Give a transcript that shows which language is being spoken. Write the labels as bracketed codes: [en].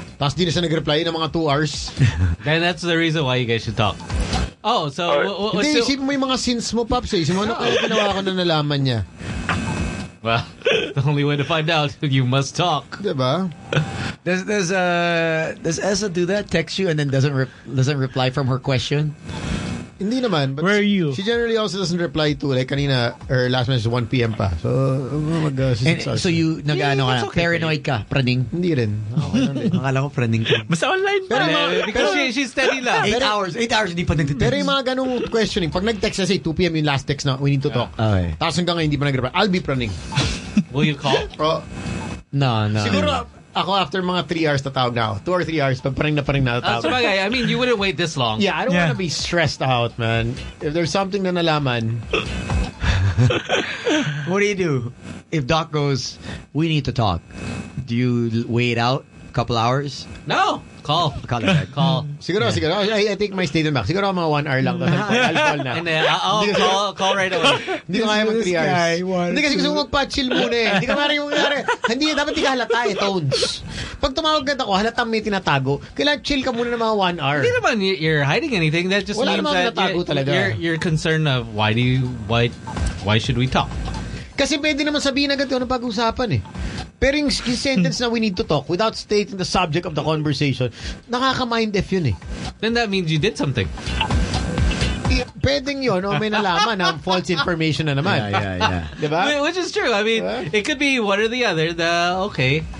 [tl] Tapos di na siya nag-reply ng mga 2 hours. [en] Then that's the reason why you guys should talk. Oh, so... [tl] Hindi, isipin mo yung mga sins mo, Pops. Isipin mo, ano kaya ginawa ko na nalaman niya? [en] Well, the only way to find out, you must talk. [tl] Diba? [en] Does Essa do that? Text you and then doesn't reply from her question? [tl] Hindi naman. But [en] where are you? She generally also doesn't reply to, like, kanina, her last message is 1 p.m. [tl] pa. So, so you, nag-ano ka, okay, paranoid ka, praning? Hindi rin. Akala ko praning ka. Basta online pa. [en] She's steady lang. Eight hours, [tl] hindi pa nagtitext. Pero yung mga ganong questioning, pag nag-text na, say, 2 p.m. yung last text na, [en] we need to talk. Okay. [tl] Tapos hanggang ngayon, hindi pa nag-reply. [en] I'll be praning. Will you call? No. [tl] Siguro, ako after mga 3 hours tatawag na ako. 2 or 3 hours, pagparing na parang natatawag. [en] So bagay, I mean, you wouldn't wait this long. Yeah, I don't want to be stressed out, man. If there's something [tl] na nalaman. [en] What do you do? If Doc goes, we need to talk. Do you wait out a couple hours? No. Call. [tl] Siguro. [en] I take my statement back. [tl] Siguro mga 1 hour lang. [en] I'll call na. And then I'll call right away. [tl] Hindi ko kaya mag 3 hours. Hindi kasi gusto ko magpa-chill muna eh. Hindi ko maraming mangyari. Hindi, dapat hindi halata eh, tones. Pag tumawag ganda ko, halata may tinatago. Kailangan chill ka muna ng mga 1 hour. Hindi naman [en] you're hiding anything. That just [tl] wala [en] means that you're concerned of why should we talk? [tl] Kasi pwede naman sabihin na ganito ng pag-usapan eh. Pero yung [en] sentence na we need to talk without stating the subject of the conversation, [tl] nakaka-mind if yun eh. [en] Then that means you did something. [tl] Pwedeng yun, no? May nalaman na false information na naman. [en] Yeah. [tl] Diba? [en] Which is true. I mean, it could be one or the other. The okay.